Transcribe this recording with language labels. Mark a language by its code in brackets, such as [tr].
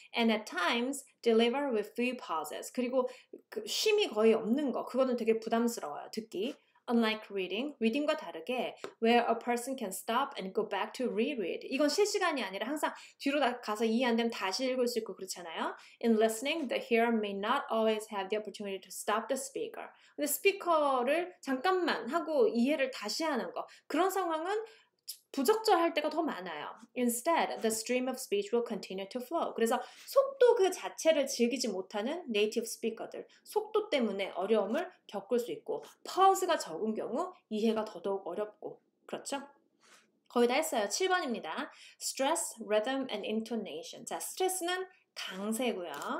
[en] And at times, deliver with few pauses. [ko] 그리고 그 쉼이 거의 없는 거, 그거는 되게 부담스러워요, 듣기. [en] Unlike reading, [ko] reading과 다르게 [en] where a person can stop and go back to reread. [ko] 이건 실시간이 아니라 항상 뒤로 가서 이해 안 되면 다시 읽을 수 있고 그렇잖아요. [en] In listening, the hearer may not always have the opportunity to stop the speaker. [ko] 근데 스피커를 잠깐만 하고 이해를 다시 하는 거. 그런 상황은 부적절할 때가 더 많아요. [en] Instead, the stream of speech will continue to flow. [ko] 그래서 속도 그 자체를 즐기지 못하는 네이티브 스피커들, 속도 때문에 어려움을 겪을 수 있고, 파우스가 적은 경우 이해가 더더욱 어렵고, 그렇죠? 거의 다 했어요. 7번입니다. Stress, rhythm, and intonation. 자, 스트레스는 강세고요.